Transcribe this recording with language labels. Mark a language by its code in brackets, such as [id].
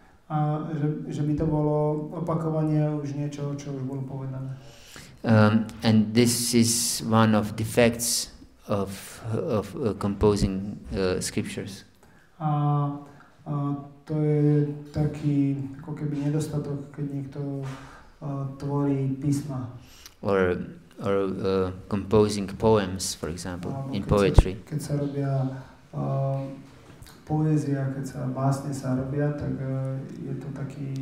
[sk] A že by to bolo opakovanie už niečoho, čo už bolo povedané. [en] And this is one of defects of composing scriptures. [sk] A to je taký ako keby nedostatok, keď niekto tvorí písma. [en] Or composing poems, for example, in poetry. [sk] Keď sa robia poézia, keď sa básne sa robia, tak je to taký...